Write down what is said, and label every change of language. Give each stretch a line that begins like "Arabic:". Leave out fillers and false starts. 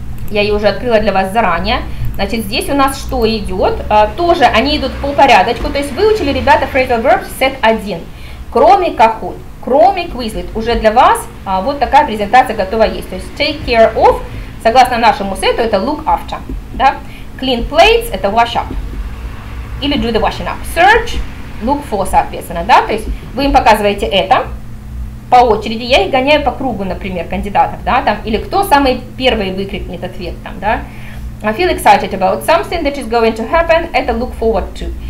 Russian: Я ее уже открыла для вас заранее. Значит, здесь у нас что идет? Тоже они идут по порядочку, то есть выучили ребята phrasal verbs set 1. Кроме Kahoot, кроме Quizlet, уже для вас вот такая презентация готова есть. То есть take care of, согласно нашему сету, это look after. Да?
English: Clean plates,
Russian: это
English: wash up.
Russian: Или
English: do the washing up. Search, look for,
Russian: соответственно. Да? То есть вы им показываете это по очереди. Я их гоняю по кругу, например, кандидатов. Да? Там, или кто самый первый выкрикнет ответ там, да?
English: I feel excited about something that is going to happen,
Russian: это
English: look forward to.